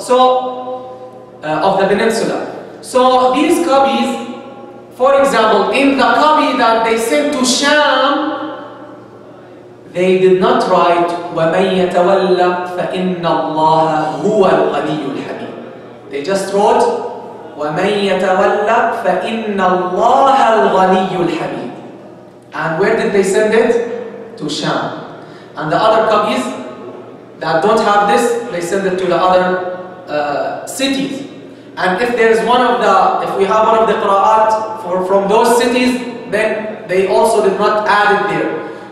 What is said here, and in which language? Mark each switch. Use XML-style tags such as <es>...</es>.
<en>So, of the peninsula. So these copies, for example, in the copy that they sent to Sham, they did not write</en> <ar>وَمَنْ يَتَوَلَّ فَإِنَّ اللَّهَ هُوَ الْغَنِيُّ الْحَمِيدِ.</ar> <en>They just wrote</en> <ar>وَمَنْ يَتَوَلَّ فَإِنَّ اللَّهَ الْغَنِيُّ الْحَمِيدِ.</ar> <en>And where did they send it? To Sham. And the other copies that don't have this, they send it to the other cities. And if we have one of the qira'at from those cities, then they also did not add it there.</en>